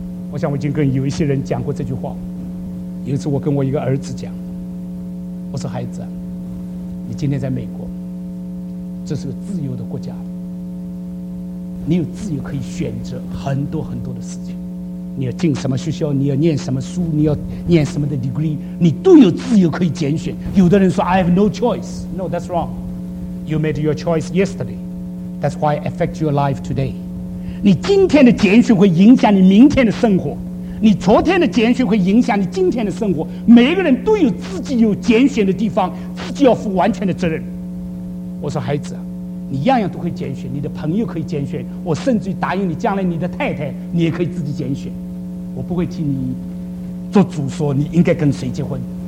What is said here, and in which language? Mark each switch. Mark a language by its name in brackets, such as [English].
[Chinese] 我想我已经跟有一些人讲过这句话，有一次我跟我一个儿子讲，我说，孩子啊，你今天在美国，这是个自由的国家，你有自由可以选择很多很多的事情，你要进什么学校，你要念什么书，你要念什么的 degree， 你都有自由可以拣选。有的人说 [English] I have no choice， No that's wrong， You made your choice yesterday， That's why affect your life today。 [Chinese] 你今天的拣选会影响你明天的生活，你昨天的拣选会影响你今天的生活。每个人都有自己有拣选的地方，自己要负完全的责任。我说，孩子，你样样都可以拣选，你的朋友可以拣选，我甚至答应你，将来你的太太你也可以自己拣选，我不会替你做主说你应该跟谁结婚。